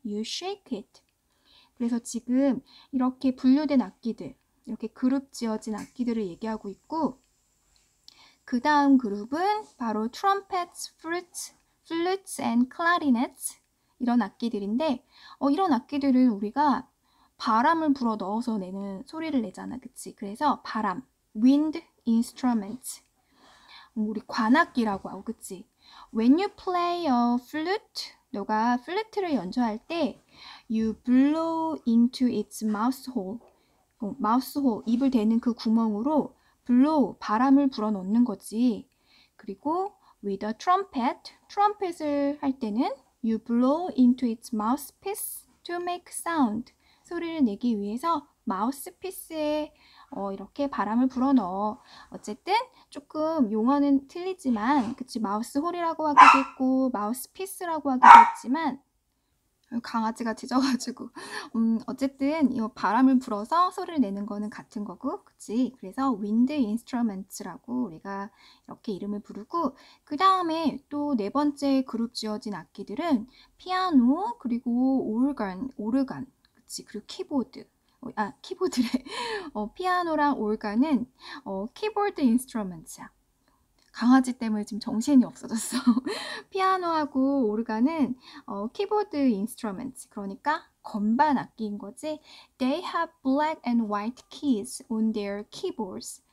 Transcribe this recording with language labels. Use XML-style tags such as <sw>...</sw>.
<en>You shake it.</en> <ko>그래서 지금 이렇게 분류된 악기들, 이렇게 그룹 지어진 악기들을 얘기하고 있고, 그 다음 그룹은 바로</ko> <en>trumpets, flutes and clarinets.</en> <ko>이런 악기들인데, 이런 악기들은 우리가 바람을 불어 넣어서 내는 소리를 내잖아, 그치? 그래서 바람, wind instruments. 우리 관악기라고 하고, 그치?</ko> <en>When you play a flute,</en> <ko>너가 플루트를 연주할 때,</ko> <en>you blow into its mouth hole.</en> <ko>mouth hole, 입을 대는 그 구멍으로 blow, 바람을 불어 넣는 거지.</ko> <en>그리고 with a trumpet을 할 때는 you blow into its mouthpiece to make sound.</en> <ko>소리를 내기 위해서 마우스피스에 이렇게 바람을 불어넣어. 어쨌든 조금 용어는 틀리지만, 그치, 마우스홀이라고 하기도 했고 마우스피스라고 하기도 했지만, 강아지가 짖어가지고 어쨌든 이 바람을 불어서 소리를 내는 거는 같은 거고, 그치? 그래서 윈드 인스트루먼츠라고 우리가 이렇게 이름을 부르고, 그 다음에 또네 번째 그룹 지어진 악기들은 피아노 그리고 오르간 그치, 그리고 키보드. 키보드래. 피아노랑 오르간은 키보드 인스트루먼트야. 강아지 때문에 지금 정신이 없어졌어. 피아노하고 오르간은 키보드 인스트루먼트. 그러니까 건반 악기인 거지.</ko> <en>They have black and white keys on their keyboards.</en>